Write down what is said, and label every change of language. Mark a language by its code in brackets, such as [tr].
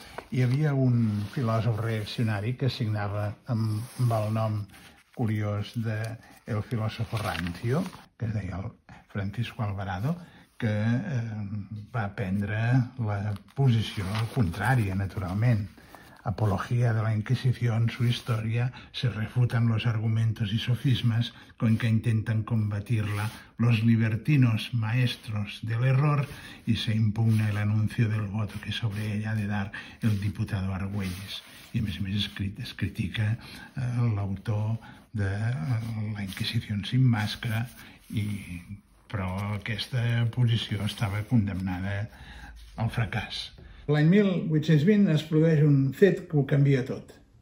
[ca] Hi havia un filòsof reaccionari que signava amb el nom curiós de el filòsofo rancio, que es deia Francisco Alvarado, que va prendre la posició contrària, naturalment. [es] apología de la Inquisición, su historia, se refutan los argumentos y sofismas con que intentan combatirla los libertinos maestros del error y se impugna el anuncio del voto que sobre ella ha de dar el diputado Argüelles. [ca] Y a més a més es critica l'autor de la Inquisición sin máscara, i... però aquesta posició estava condemnada al fracàs. L'any 1820 es produeix un fet que ho canvia tot.